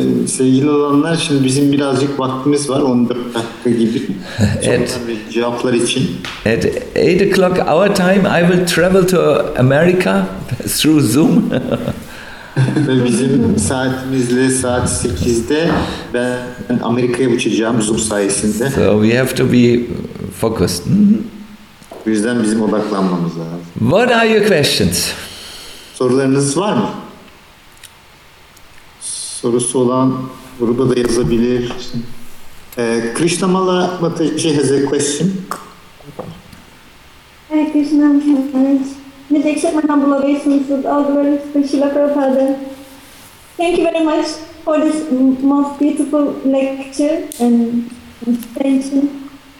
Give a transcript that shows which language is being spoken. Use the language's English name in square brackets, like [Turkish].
[Turkish] Sevgili olanlar, şimdi bizim birazcık vaktimiz var, 14 dakika gibi. Cevaplar için. [English] At 8 o'clock our time, I will travel to America through Zoom. [Turkish] Ve bizim saatimizle saat 8'de ben Amerika'ya uçacağım Zoom sayesinde. [English] So we have to be focused. [Turkish] O yüzden bizim odaklanmamız lazım. [English] What are your questions? [Turkish] Sorularınız var mı? Sorusu olan burada da yazabilir. [English] Krishna Mala Mataji has a question. Hare Krishna. [Portuguese] Me deixa mandar uma vez um saludo para [English] Thank you very much for this most beautiful lecture and presentation.